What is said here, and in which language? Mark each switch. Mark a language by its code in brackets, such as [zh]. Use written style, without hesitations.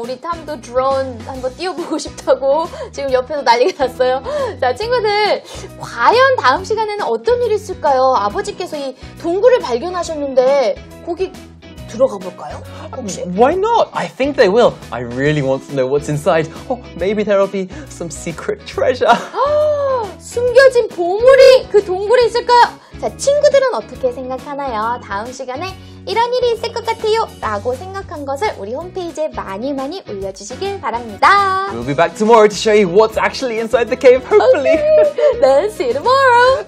[ko] 우리 탐도 drone 한번 띄워보고 싶다고 지금 옆에서 난리가 났어요. 자, 친구들. 과연 다음 시간에는 어떤 일이 있을까요? 아버지께서 이 동굴을 발견하셨는데 거기 들어가 볼까요? 혹시? [en] Why not? I think they will. I really want to know what's inside. Oh, maybe there'll be some secret treasure. [ko] 숨겨진 보물이 그 동굴에 있을까요? 자, 친구들은 어떻게 생각하나요? 다음 시간에 이런 일이 있을 것 같아요 라고 생각한 것을 우리 홈페이지에 많이 많이 올려주시길 바랍니다. [en] We'll be back tomorrow to show you what's actually inside the cave, hopefully. Okay. Then see you tomorrow.